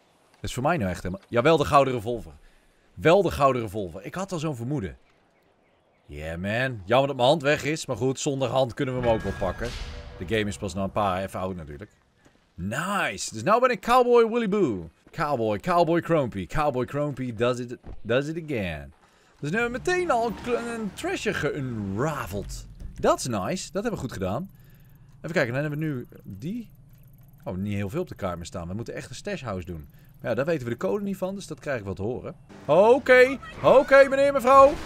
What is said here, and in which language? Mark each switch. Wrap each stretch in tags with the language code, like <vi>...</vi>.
<nl>Dat is voor mij nou echt helemaal... Ja, wel de gouden revolver. Wel de gouden revolver. Ik had al zo'n vermoeden.</nl> <en>Yeah, man.</en> <nl>Jammer dat mijn hand weg is. Maar goed, zonder hand kunnen we hem ook wel pakken. De game is pas nog een paar even oud natuurlijk. Nice! Dus nou ben ik Cowboy Willy Boo. Cowboy, Cowboy Crompy.</nl> <en>Cowboy Crompy does it again.</en> <nl>Dus nu hebben we meteen al een treasure geunraveld. Dat is nice. Dat hebben we goed gedaan. Even kijken, dan hebben we nu die. Oh, niet heel veel op de kaart meer staan. We moeten echt een stash house doen. Maar ja, daar weten we de code niet van, dus dat krijg ik wel te horen. Oké, meneer, mevrouw.</nl>